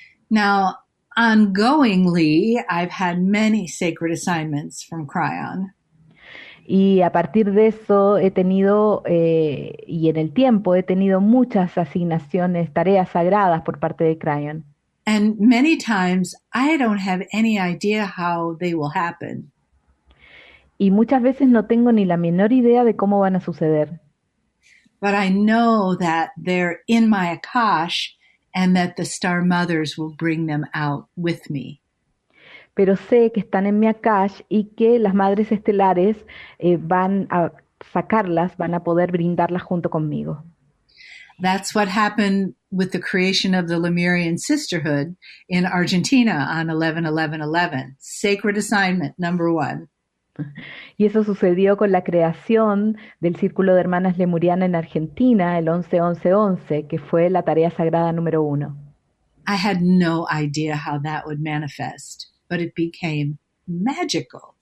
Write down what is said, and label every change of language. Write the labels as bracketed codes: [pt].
[en] Now, ongoingly, I've had many sacred assignments from Crayon. [es] Y a partir de eso he tenido, y en el tiempo he tenido muchas asignaciones, tareas sagradas por parte de Crayon. [en] And many times I don't have any idea how they will happen. [es] Y muchas veces no tengo ni la menor idea de cómo van a suceder. [en] But I know that they're in my Akash and that the Star Mothers will bring them out with me. [es] Pero sé que están en mi Akash y que las Madres Estelares van a sacarlas, van a poder brindarlas junto conmigo. [en] That's what happened with the creation of the Lemurian Sisterhood in Argentina on 11-11-11. Sacred assignment, number one. [es] Y eso sucedió con la creación del Círculo de Hermanas Lemuriana en Argentina, el 11-11-11, que fue la tarea sagrada número uno. [en] I had no idea how that would manifest, but it became magical.